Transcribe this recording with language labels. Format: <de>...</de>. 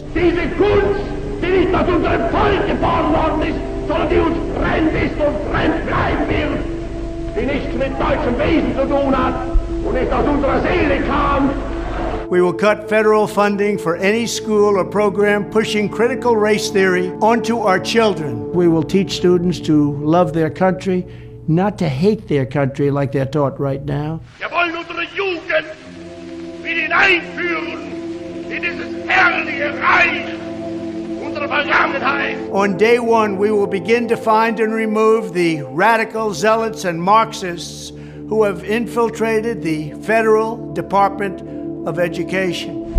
<en>We will cut federal funding for any school or program pushing critical race theory onto our children. We will teach students to love their country, not to hate their country like they're taught right now.</en> <de>Wir wollen unsere Jugend mit hineinführen in dieses herrliche Reich unserer Vergangenheit.</de> <en>On day one, we will begin to find and remove the radical zealots and Marxists who have infiltrated the Federal Department of Education.</en>